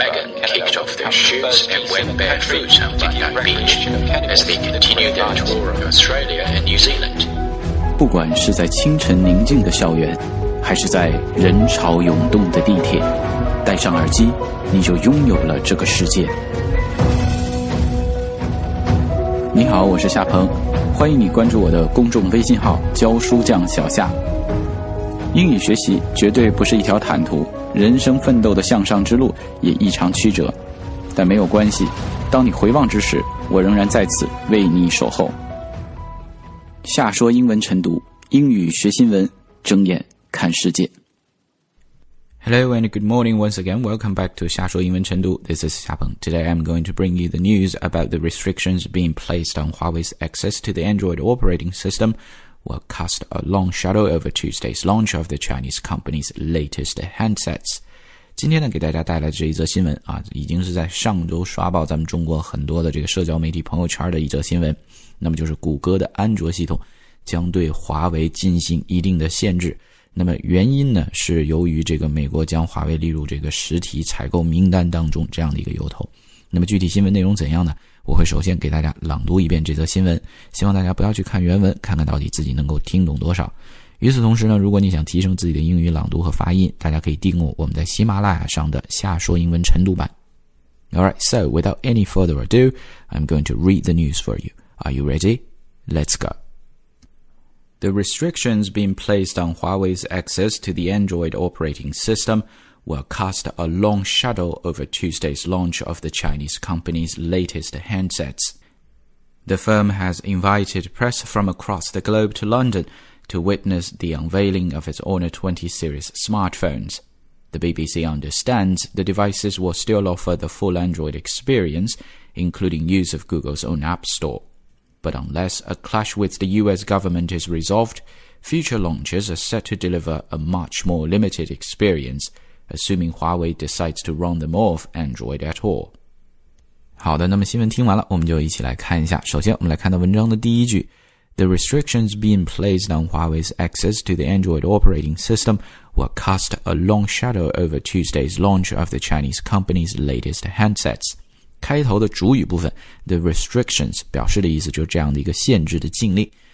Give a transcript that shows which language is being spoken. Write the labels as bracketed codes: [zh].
[en] Meghan kicked off their shoes and went barefoot on Bondi Beach as they continued their tour of Australia and New Zealand. [zh] 不管是在清晨宁静的校园，还是在人潮涌动的地铁，戴上耳机，你就拥有了这个世界。你好，我是夏鹏，欢迎你关注我的公众微信号教书匠小夏。英语学习绝对不是一条坦途，人生奋斗的向上之路也异常曲折，但没有关系，当你回望之时，我仍然在此为你守候。夏说英文晨读，英语学新闻，睁眼看世界。 [en] Hello and good morning once again. Welcome back to 夏说英文晨读.This is 夏鹏. Today I'm going to bring you the news about the restrictions being placed on Huawei's access to the Android operating system will cast a long shadow over Tuesday's launch of the Chinese company's latest handsets. [zh] 今天呢给大家带来这一则新闻啊，已经是在上周刷爆咱们中国很多的这个社交媒体朋友圈的一则新闻。那么就是谷歌的安卓系统将对华为进行一定的限制。那么原因呢是由于这个美国将华为列入这个实体采购名单当中这样的一个由头。那么具体新闻内容怎样呢，我会首先给大家朗读一遍这则新闻，希望大家不要去看原文，看看到底自己能够听懂多少。与此同时呢，如果你想提升自己的英语朗读和发音，大家可以订阅我们在喜马拉雅上的夏说英文晨读版。 [en] Alright, so without any further ado, I'm going to read the news for you. Are you ready? Let's goThe restrictions being placed on Huawei's access to the Android operating system will cast a long shadow over Tuesday's launch of the Chinese company's latest handsets. The firm has invited press from across the globe to London to witness the unveiling of its Honor 20 series smartphones. The BBC understands the devices will still offer the full Android experience, including use of Google's own App Store. But unless a clash with the US government is resolved, future launches are set to deliver a much more limited experience, assuming Huawei decides to run them off Android at all. [zh] 好的，那么新闻听完了，我们就一起来看一下。首先我们来看到文章的第一句。 [en] The restrictions being placed on Huawei's access to the Android operating system will cast a long shadow over Tuesday's launch of the Chinese company's latest handsets. [zh] 开头的主语部分 the restrictions 表示的意思就是这样的一个限制的禁令。